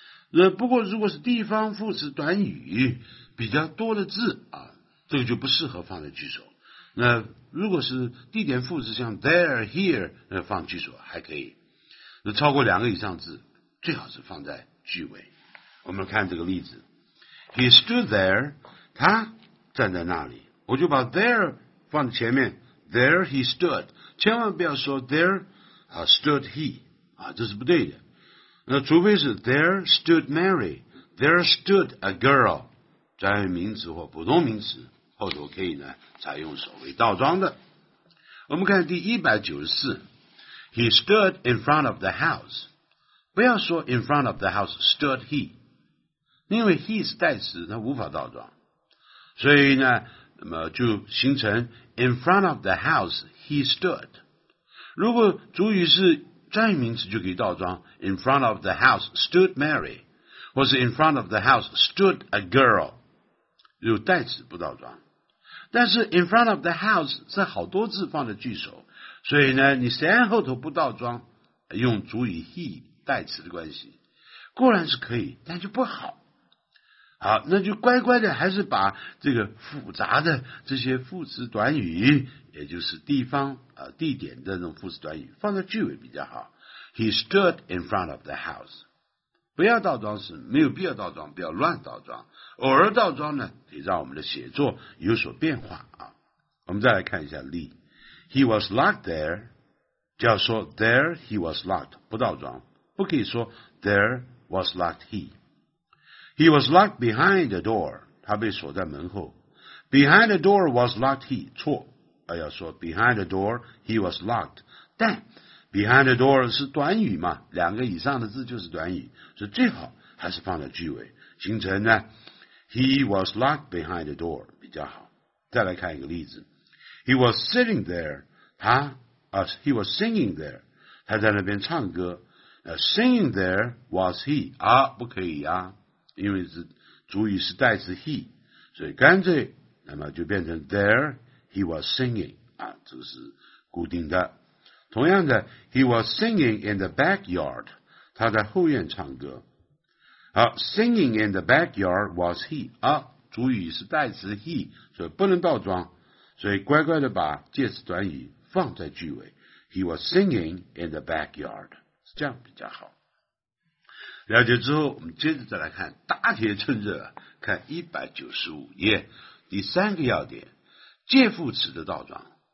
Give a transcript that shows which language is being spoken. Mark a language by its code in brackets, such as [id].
[zh] 那不过如果是地方副词短语比较多的字啊，这个就不适合放在句首。那如果是地点副词像 there, here， 那放句首还可以。那超过两个以上字最好是放在句尾。我们看这个例子。 [en] He stood there， [zh] 他站在那里。我就把 there 放在前面， [en] there he stood， [zh] 千万不要说 [en] there stood he， [zh] 啊，这是不对的。那除非是 [en] there stood Mary， there stood a girl， [zh] 专业名词或普通名词后头可以呢采用所谓倒装的。我们看第194， [en] He stood in front of the house， [zh] 不要说 [en] in front of the house stood he， [zh] 因为 he 是代词，它无法倒装，所以呢，那么就形成 [en] in front of the house he stood。 [zh] 如果主语是专有名词就可以倒装 [en] in front of the house stood Mary， 或是 in front of the house stood a girl， [zh] 有代词不倒装。但是 in front of the house 是好多字放在句首，所以呢，你虽然后头不倒装，用主语 he 代词的关系固然是可以，但就不好。好，那就乖乖的还是把这个复杂的这些副词短语，也就是地方地点的那种副词短语放在句尾比较好。 [en] He stood in front of the house， [zh] 不要倒装是没有必要倒装，不要乱倒装，偶尔倒装呢可以让我们的写作有所变化啊。我们再来看一下例。 [en] He was locked there， [zh] 就要说 [en] there he was locked， [zh] 不倒装，不可以说 [en] there was locked he。 He was locked behind the door， [zh] 他被锁在门后。 [en] Behind the door was locked he， [zh] 错，而要说 [en] behind the door he was locked， [zh] 但 behind the door 是短语嘛，两个以上的字就是短语，所以最好还是放在句尾，形成呢 [en] He was locked behind the door [zh] 比较好。再来看一个例子。 [en] He was sitting there， he was singing there， [zh] 他在那边唱歌。 [en] Singing there was he， [zh] 啊，不可以啊，因为是主语是代词 he， 所以干脆那么就变成 [en] there he was singing， [zh] 啊，这是固定的。同样的 [en] ,he was singing in the backyard， [zh] 他在后院唱歌。好 , [en] singing in the backyard was he, [zh] 啊，主语是代词 he, 所以不能倒装，所以乖乖的把介词短语放在句尾。 [en] He was singing in the backyard, [zh] 是这样比较好。了解之后，我们接着再来看大铁趁热，看195页，第三个要点，介副词的倒装。